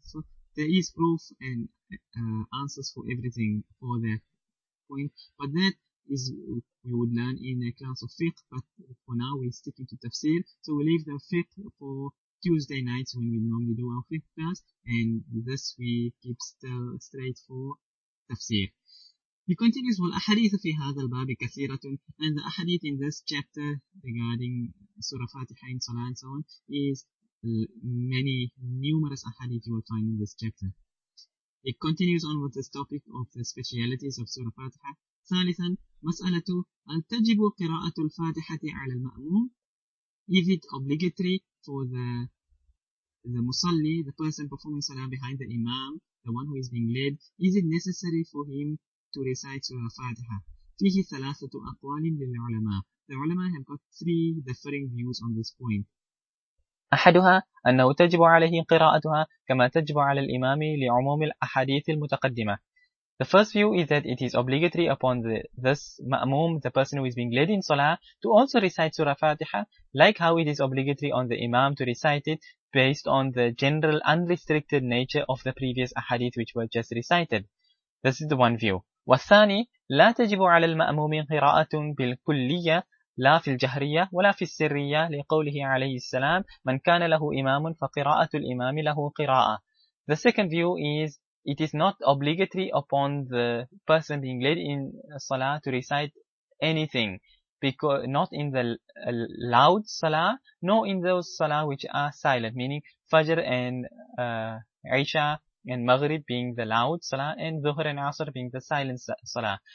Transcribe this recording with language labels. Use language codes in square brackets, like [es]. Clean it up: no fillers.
[en] So there is proof and answers for everything for that point. But that is we would learn in a class of fiqh, but for now we're sticking to tafsir. So we leave the fiqh for Tuesday nights when we normally do our fiqh class, and this we keep still straight for tafsir. He continues, [ar] وَالْأَحَدِيثُ فِي هَذَا الْبَابِ كَثِيرَةٌ. [en] And the ahadith in this chapter regarding Surah Fatiha in Salah and so on is many, numerous ahadith you will find in this chapter. It continues on with this topic of the specialities of Surah Fatiha. [ar] ثَالِثًا مَسْأَلَةُ أَلْ تَجِبُ قِرَاءَةُ الْفَاتِحَةِ عَلَى الْمَأْمُومِ. [en] Is it obligatory for the musalli, the person performing Salah behind the Imam, the one who is being led, is it necessary for him to recite Surah Fatiha? [ar] فِيهِ ثَلَاثَةُ أَقْوَالٍ لِلْعُلَمَاءِ. [en] The ulama have got three differing views on this point. [ar] أحدها أنه تجب عليه قراءتها كما تجب على الإمام لعموم الأحاديث المتقدمة. [en] The first view is that it is obligatory upon this ma'moom, the person who is being led in salah, to also recite Surah Fatiha, like how it is obligatory on the Imam to recite it based on the general unrestricted nature of the previous ahadith which were just recited. This is the one view. [ar] والثاني لا تجب على المأموم قراءة بالكلية لا في الجهرية ولا في السرية لقوله عليه السلام من كان له إمام فقراءة الإمام له قراءة. [en] The second view is it is not obligatory upon the person being led in Salah to recite anything, because not in the loud Salah nor in those Salah which are silent, meaning Fajr and Isha and Maghrib being the loud Salah and Dhuhr and Asr being the silent Salah.